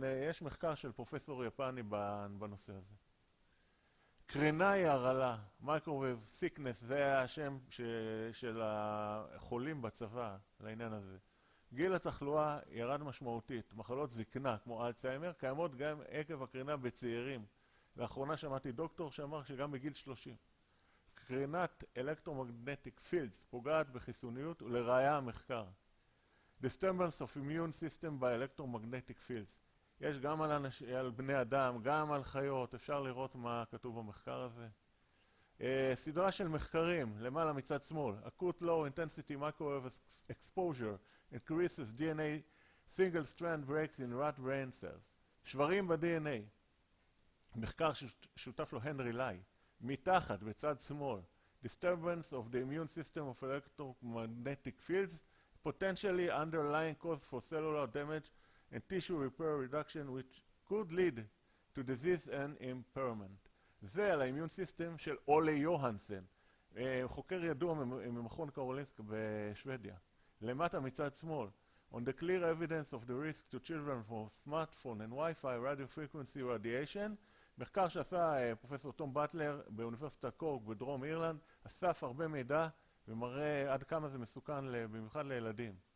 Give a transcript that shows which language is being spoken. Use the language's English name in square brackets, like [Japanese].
[Hebrew] יש מחקר של פרופסור יפני בנושא הזה. קרינה הרעלה, מייקרוויב סיקנס, זה השם של החולים בצבא לעניין הזה. גיל התחלואה ירד משמעותית, מחלות זקנה כמו אלצהיימר קיימות גם עקב הקרינה בצעירים. לאחרונה שמעתי דוקטור שאמר שגם בגיל 30. קרינת אלקטרומגנטיק פילדס פוגעת בחיסוניות ולראיה המחקר. [English] Disturbance of immune system by electromagnetic fields. [Hebrew] יש גם על, על בני אדם, גם על חיות, אפשר לראות מה כתוב במחקר הזה. סדרה של מחקרים, למעלה מצד שמאל. [English] Acute low intensity microwave exposure increases DNA single strand breaks in rat brain cells. [Hebrew] שברים ב-DNA. מחקר ששותף לו הנרי לי. מתחת, בצד שמאל. [English] Disturbance of the immune system of electromagnetic fields. Potentially underlying cause for cellular damage and tissue repair reduction which could lead to disease and impairment. [Hebrew] זה על האימיון סיסטם של אולי יוהנסן, חוקר ידוע ממכון קרולינסק בשוודיה. למטה מצד שמאל, [English] on the clear evidence of the risk to children from smartphone and Wi-Fi radio frequency radiation, [Hebrew] מחקר שעשה פרופסור תום בטלר באוניברסיטה קורק בדרום אירלנד, אסף הרבה מידע ומראה עד כמה זה מסוכן במיוחד לילדים.